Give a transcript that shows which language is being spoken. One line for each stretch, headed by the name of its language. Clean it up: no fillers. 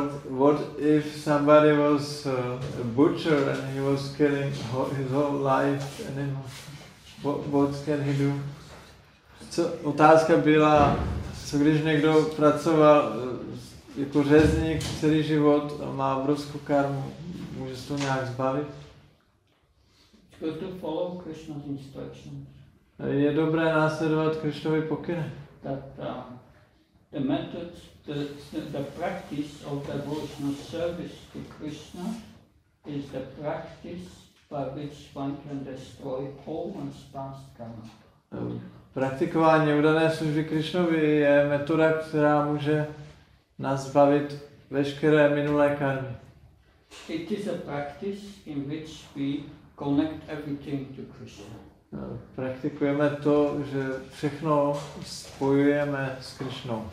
English: What if somebody was a butcher and he was killing his whole life animal? What can he do?
Czech: Co, otázka byla, co když někdo pracoval jako řezník celý život a má obrovskou karmu, může se to nějak zbavit?
English: Good to follow Krishna's instructions.
Czech: Je dobré následovat Krishnovy pokyny.
English: That the method, the practice of devotional service to Krishna is the practice by which one can destroy all one's past karma.
Czech: Praktikování udané služby Krishnovi je metoda, která může nás zbavit veškeré minulé karmy.
English: It is a practice in which we connect everything to Krishna.
Czech: Praktikujeme to, že všechno spojujeme s Krishnou.